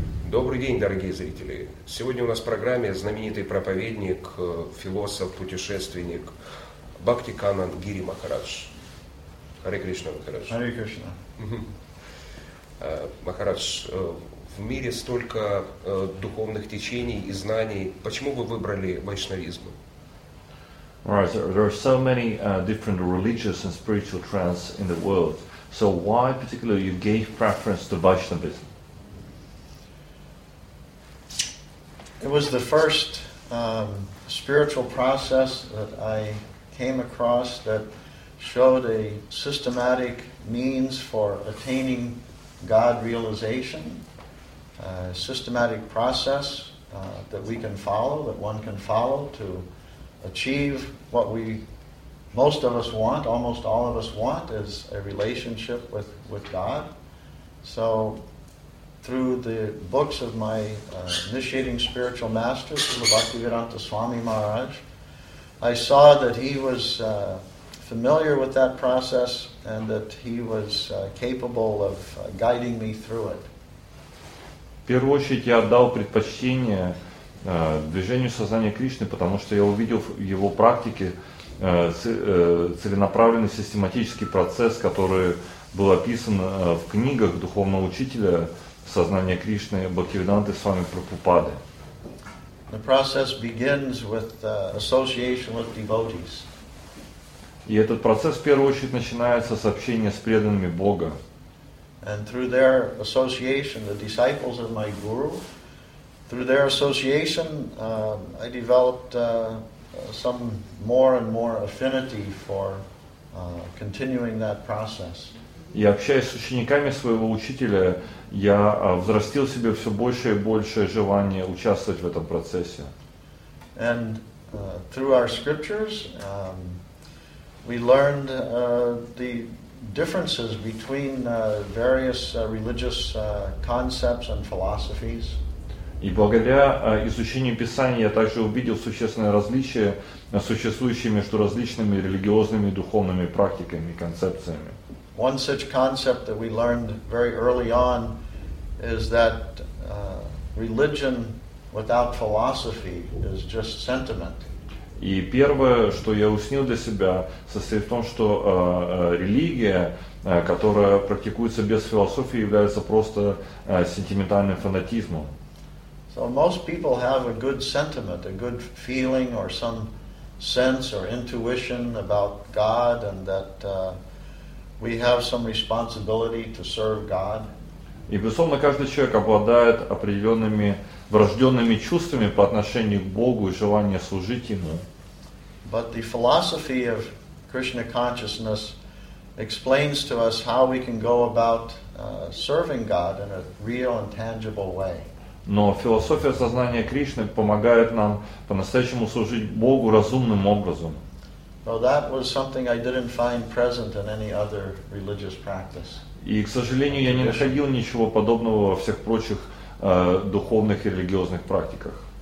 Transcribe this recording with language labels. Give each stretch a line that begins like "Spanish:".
Russian: Добрый день, дорогие зрители. Сегодня у нас в программе знаменитый проповедник, философ, путешественник Бхактиканан Гири Махарадж. Харе Кришна, Махарадж. Харе Кришна. Махарадж, в мире столько духовных течений и знаний. Почему вы выбрали вайшнавизм?
English: Right, there are so many different religious and spiritual trends in the world. So why particularly you gave preference to Vaishnavism? It was the first spiritual process that I came across that showed a systematic means for attaining God realization, a systematic process that we can follow, that one can follow to achieve what we, most of us want, almost all of us want, is a relationship with God. So through the books of my initiating spiritual master, Srila Bhaktivedanta Swami Maharaj, I saw that he was familiar with that process and that he was capable of guiding me through it.
Russian: В первую очередь я отдал предпочтение движению сознания Кришны, потому что я увидел в его практике целенаправленный систематический процесс, который был описан в книгах духовного учителя сознания Кришны Бхактивиданты Свами Прабхупады.
English: The process begins with association with devotees.
Russian: И этот процесс в первую очередь начинается с общения с преданными Бога.
English: And through their association, the disciples of my guru, through their association, I developed some more and more affinity for continuing that process.
Russian: И общаясь с учениками своего учителя, я взрастил в себе все больше и больше желание участвовать в этом процессе.
English: And through our scriptures, we learned the differences between various religious concepts and philosophies.
Russian: И благодаря изучению Писания я также увидел существенное различие, существующее между различными религиозными и духовными практиками и концепциями.
English: One such concept that we learned very early on is that religion without philosophy is just sentiment.
Russian: И первое, что я уснил для себя, состоит в том, что религия, которая практикуется без философии, является просто сентиментальным фанатизмом.
English: So most people have a good sentiment, a good feeling or some sense or intuition about God and that we have some responsibility to serve God.
Russian: И, безусловно, каждый человек обладает определенными врожденными чувствами по отношению к Богу и желанием служить Ему.
English: But the philosophy of Krishna consciousness explains to us how we can go about serving God in a real and tangible way.
Russian: Но философия сознания Кришны помогает нам по-настоящему служить Богу разумным образом.
English: So that was something I didn't find present in any other religious practice.
Russian: И, к сожалению, я не находил ничего подобного во всех прочих духовных и религиозных практиках.